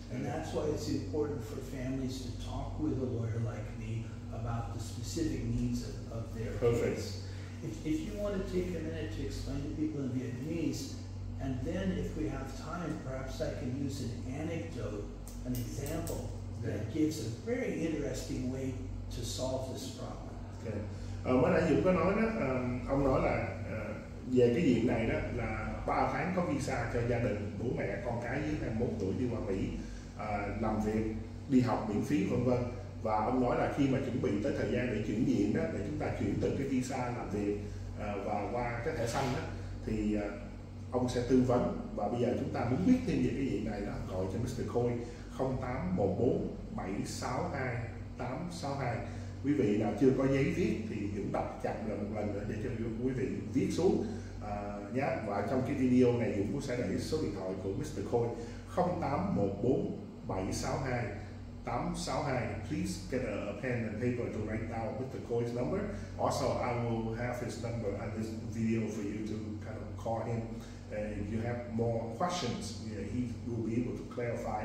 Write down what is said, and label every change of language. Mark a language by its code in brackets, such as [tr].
[en] And that's why it's important for families to talk with a lawyer like me about the specific needs of their Perfect. Case. If you want to take a minute to explain to people in Vietnamese, and then if we have time, perhaps I can use an anecdote, an example, that gives a very interesting way to solve this problem. Okay. [vi] Mới nãy Dũng có nói đó, ông nói là về cái diện này đó, là 3 tháng có visa cho gia đình, bố mẹ, con cái dưới 21 tuổi đi qua Mỹ, làm việc, đi học miễn phí, v.v. Và ông nói là khi mà chuẩn bị tới thời gian để chuyển diện đó, để chúng ta chuyển từ cái visa làm việc và qua cái thẻ xanh đó, thì ông sẽ tư vấn. Và bây giờ chúng ta muốn biết thêm về cái gì này đó, gọi cho Mr. Khôi 0814 762 862. Quý vị nào chưa có giấy viết thì Dũng đọc chậm lại một lần nữa để cho quý vị viết xuống nhé. Và trong cái video này Dũng cũng sẽ để số điện thoại của Mr. Khôi 0814 762 862. [en] Please get a pen and paper to write down Mr. Khôi's number. Also, I will have his number on this video for you to kind of call him. And if you have more questions, yeah, he will be able to clarify.